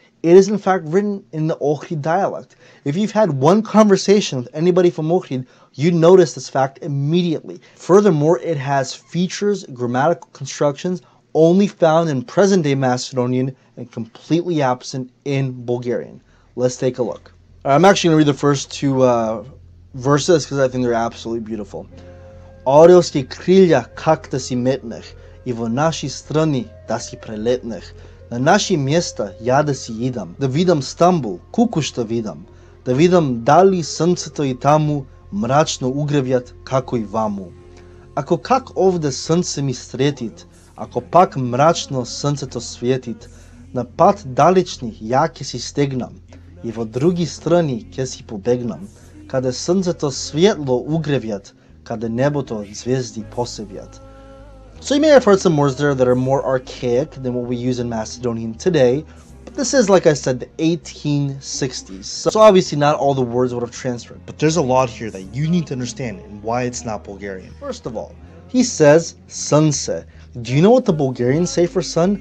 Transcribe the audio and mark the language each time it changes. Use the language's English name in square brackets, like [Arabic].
[English] It is in fact written in the Ohrid dialect. If you've had one conversation with anybody from Ohrid, you'd notice this fact immediately. Furthermore, it has features, grammatical constructions, only found in present-day Macedonian and completely absent in Bulgarian. Let's take a look. Right, I'm actually going to read the first two verses because I think they're absolutely beautiful. [Macedonian] Орелски крилја как да си метнех, и во наши страни да си прелетнех. На наши места ја да си идам, да видам Стамбул, кукушта видам, да видам дали сънцето и таму мрачно угревјат како и ваму. Ако как овде сънце ми стретит, ако пак мрачно сънцето светит, на пат далечни ја ке си стегнам, и во други страни ке си побегнам, каде сънцето светло угревјат, каде небото звезди посевјат. [English] So you may have heard some words there that are more archaic than what we use in Macedonian today, but this is, like I said, the 1860s. So obviously not all the words would have transferred, but there's a lot here that you need to understand and why it's not Bulgarian. First of all, he says sunse. Do you know what the Bulgarians say for sun?